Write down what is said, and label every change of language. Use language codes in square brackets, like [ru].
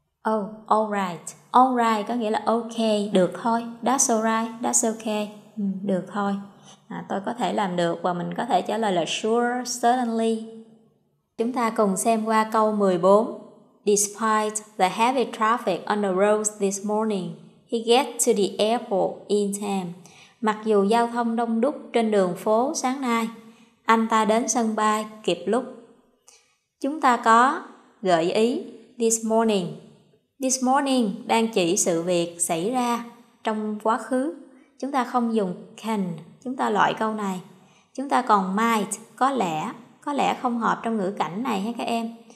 [en] Oh, all right. [vi] All right có nghĩa là ok, được thôi. [en] That's all right, that's okay. [vi] Được thôi. Tôi có thể làm được, và mình có thể trả lời là [en] sure, certainly. [vi] Chúng ta cùng xem qua câu 14. [en] Despite the heavy traffic on the roads this morning, he gets to the airport in time. [vi] Mặc dù giao thông đông đúc trên đường phố sáng nay, anh ta đến sân bay kịp lúc. Chúng ta có gợi ý this morning. [en] This morning [vi] đang chỉ sự việc xảy ra trong quá khứ. Chúng ta không dùng can, chúng ta loại câu này. Chúng ta còn might, có lẽ không hợp trong ngữ cảnh này hay các em.